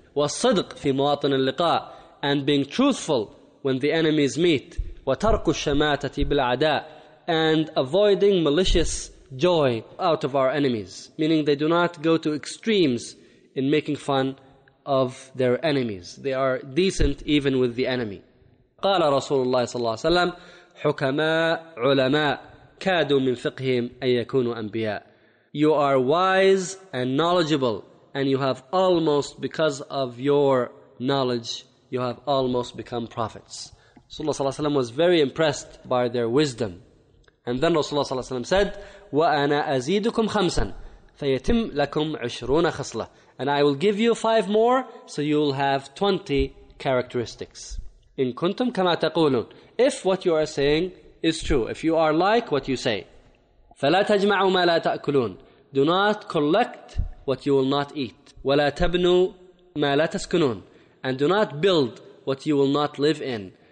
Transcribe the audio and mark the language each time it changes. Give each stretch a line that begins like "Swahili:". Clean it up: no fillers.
Arabic: وَالصِّدْقِ فِي مَوَاطِنِ اللِّقَاءِ,
English: and being truthful when the enemies meet.
Arabic: وَتَرْكُ الشَّمَاتَةِ بِالْعَدَاءِ,
English: and avoiding malicious joy out of our enemies. Meaning they do not go to extremes in making fun of their enemies. They are decent even with the enemy.
Arabic: قال رسول الله صلى الله عليه وسلم حكماء علماء كادوا من فقههم أن يكونوا أنبياء.
English: You are wise and knowledgeable, and you have almost, because of your knowledge, you have almost become prophets. رسول الله صلى الله عليه وسلم was very impressed by their wisdom. And then Rasulullah صلى الله عليه وسلم said,
Arabic: وَأَنَا أَزِيدُكُمْ خَمْسًا فَيَتِمْ لَكُمْ عُشْرُونَ خَصْلَةً.
English: And I will give you 5 more, so you'll have 20 characteristics.
Arabic: إِن كُنْتُمْ كَمَا تَقُولُونَ.
English: If what you are saying is true, if you are like what you say.
Arabic: فَلَا تَجْمَعُوا مَا لَا تَأْكُلُونَ.
English: Do not collect what you will not eat.
Arabic: وَلَا تَبْنُوا مَا لَا تَسْكُنُونَ.
English: And do not build what you will not live in.